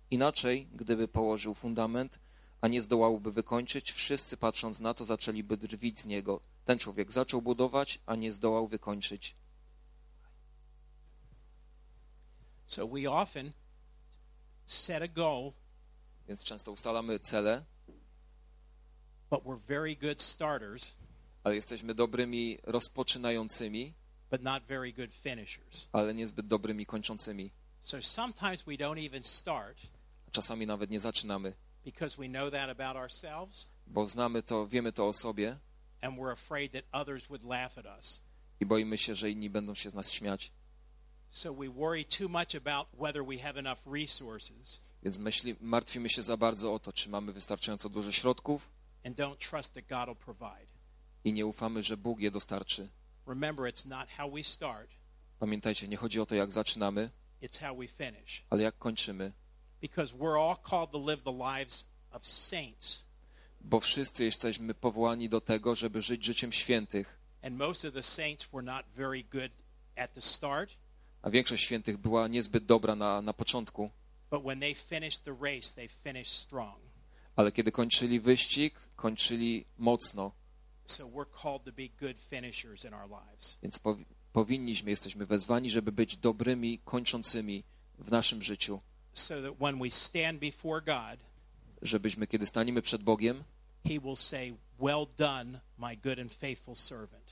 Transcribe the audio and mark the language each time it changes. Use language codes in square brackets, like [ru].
[pl] Inaczej, gdyby położył fundament, a nie zdołałby wykończyć, wszyscy patrząc na to zaczęliby drwić z niego. Ten człowiek zaczął budować, a nie zdołał wykończyć. [en] So we often set a goal, [pl] więc często ustalamy cele, [en] but we're very good starters, [pl] ale jesteśmy dobrymi rozpoczynającymi, [en] but not very good finishers, [pl] ale niezbyt dobrymi kończącymi. [en] So sometimes we don't even start, [pl] czasami nawet nie zaczynamy, [en] because we know that about ourselves, [pl] bo znamy to, wiemy to o sobie, [en] and we're afraid that others would laugh at us, [pl] i boimy się, że inni będą się z nas śmiać. [en] So we worry too much about whether we have enough resources. [pl] Więc martwimy się za bardzo o to, czy mamy wystarczająco dużo środków. [en] And don't trust that God will provide. [pl] I nie ufamy, że Bóg je dostarczy. [en] Remember, it's not how we start. [pl] Pamiętajcie, nie chodzi o to, jak zaczynamy. [en] It's how we finish. [pl] Ale jak kończymy. [en] Because we're all called to live the lives of saints. [pl] Bo wszyscy jesteśmy powołani do tego, żeby żyć życiem świętych. [en] And most of the saints were not very good at the start. [pl] A większość świętych była niezbyt dobra na początku. [en] But when they finished the race, they finished strong. [pl] Ale kiedy kończyli wyścig, kończyli mocno. [en] So we're called to be good finishers in our lives. [pl] Więc jesteśmy wezwani, żeby być dobrymi kończącymi w naszym życiu. [en] So that when we stand before God, [pl] żebyśmy, kiedy staniemy przed Bogiem, [en] He will say, "Well done, my good and faithful servant."